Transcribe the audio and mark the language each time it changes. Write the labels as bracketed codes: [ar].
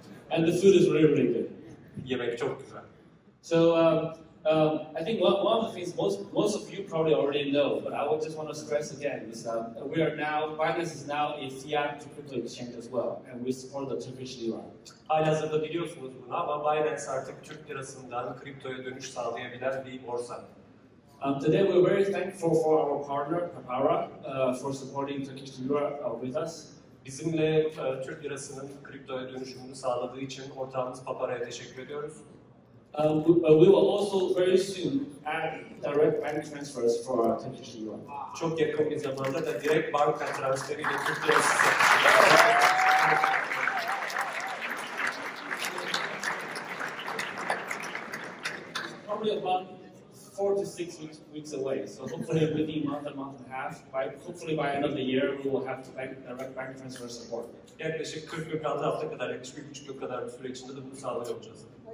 [en] And the food is really, really good. [tr] Yemek çok güzel. [en] So I think one of the things most of you probably already know, but I would just want to stress again is we are now, Binance is now a fiat to crypto exchange as well, and we support the Turkish lira. [tr] Halihazırda biliyorsunuz bunu ama Binance artık Türk lirasından kriptoya dönüş sağlayabilen bir borsa. [en] Today we're very thankful for our partner Papara for supporting Turkish lira with us. [tr] Bizimle Türk lirasının kriptoya dönüşümünü sağladığı için ortağımız Papara'ya teşekkür ediyoruz. [en] We will also very soon add direct bank transfers for Turkish lira. [tr] Çok yakın bir zamanda da direkt banka transferi ile Türk lirası. [en] Probably about 4 to 6 weeks away. So hopefully within a month and a half, hopefully by end of the year, we will have direct bank transfer support. [tr] Yaklaşık 40 gün, 6 hafta kadar, 71,5 gün kadar bir süre içinde de bunu sağlıyor olacağız.